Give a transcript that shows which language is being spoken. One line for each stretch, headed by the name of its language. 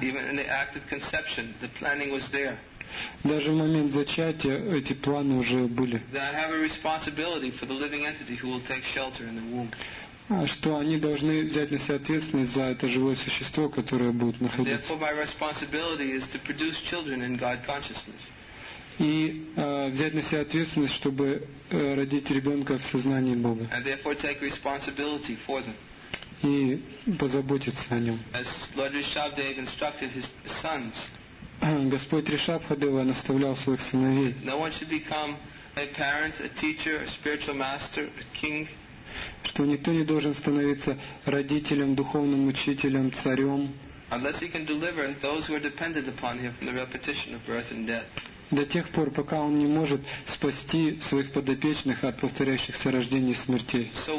English: Even in the act of conception, the planning was there.
Russian: Даже в момент зачатия эти планы уже были.
English: I have a responsibility for the living entity who will take shelter in the womb.
Russian: Что они должны взять на себя ответственность за это живое существо, которое будет находиться.
English: Therefore, my responsibility is to produce children in God consciousness.
Russian: И взять на себя ответственность, чтобы родить ребенка в сознании Бога.
English: And therefore take responsibility for them.
Russian: И позаботиться о нем.
English: As Lord Rishabhdev instructed his sons.
Russian: Господь Ришабхадева наставлял своих сыновей.
English: No one should become a parent, a teacher, a spiritual master, a king.
Russian: Что никто не должен становиться родителем, духовным учителем, царем.
English: Unless he can deliver those who are dependent upon him from the repetition of birth and death.
Russian: До тех пор, пока он не может спасти своих подопечных от повторяющихся рождений и смертей.